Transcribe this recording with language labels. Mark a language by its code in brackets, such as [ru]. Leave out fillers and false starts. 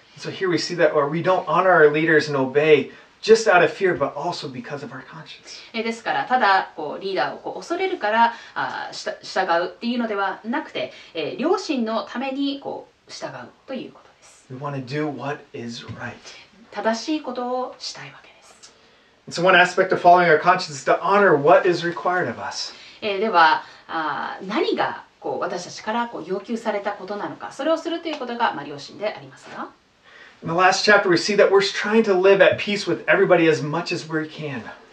[en] So here we see that we don't honor our leaders and obey. Just out of fear, but also because of our conscience. [ja] ですから、ただこうリーダーをこう恐れるから従うっていうのではなくて、良心のためにこう従うということです。 [en] We want to do what is right. [ja] 正しいことをしたいわけです。 [en] So one aspect of following our conscience is to honor what is required of us. [ja] では、何がこう私たちからこう要求されたことなのか、それをするということが、まあ、良心でありますが。 [en] In the last chapter, we see that we're trying to live at peace with everybody as much as we can.